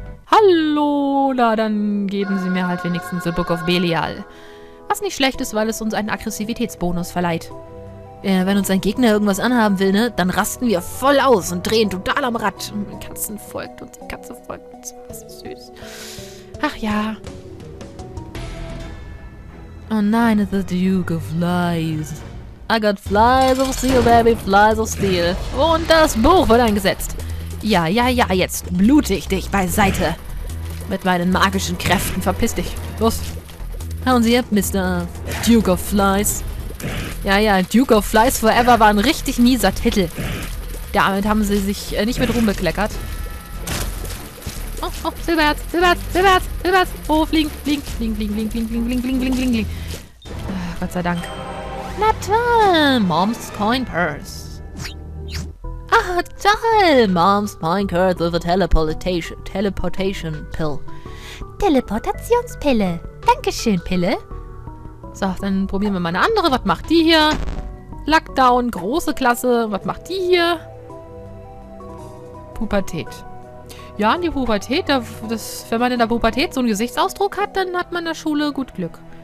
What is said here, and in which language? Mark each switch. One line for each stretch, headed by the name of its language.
German: Hallo! Na, dann geben Sie mir halt wenigstens The Book of Belial. Was nicht schlecht ist, weil es uns einen Aggressivitätsbonus verleiht. Wenn uns ein Gegner irgendwas anhaben will, ne, dann rasten wir voll aus und drehen total am Rad. Und Katzen folgt uns, die Katze folgt uns. Das ist süß. Ach ja. Oh nein,
English: the Duke of Flies. I got flies of steel, baby, flies of steel.
German: Und das Buch wird eingesetzt. Ja, ja, ja, jetzt blute ich dich beiseite. Mit meinen magischen Kräften, verpiss dich. Los. Hauen Sie ab, Mr. Duke of Flies. Ja, ja, Duke of Flies Forever war ein richtig mieser Titel. Damit haben sie sich nicht mit Ruhm bekleckert. Oh, oh, Silberherz, Silberherz, Silberherz, Silberherz. Oh, fliegen, fliegen, fliegen, fliegen, fliegen, fliegen, fliegen, fliegen, fliegen, fliegen, fliegen. Gott sei Dank. Na toll, Mom's Coin Purse. Ah, toll, Mom's Coin Purse with a Teleportation Pill. Teleportationspille. Dankeschön, Pille. So, dann probieren wir mal eine andere. Was macht die hier? Lockdown, große Klasse. Was macht die hier? Pubertät. Ja, in die Pubertät. Wenn man in der Pubertät so einen Gesichtsausdruck hat, dann hat man in der Schule gut Glück.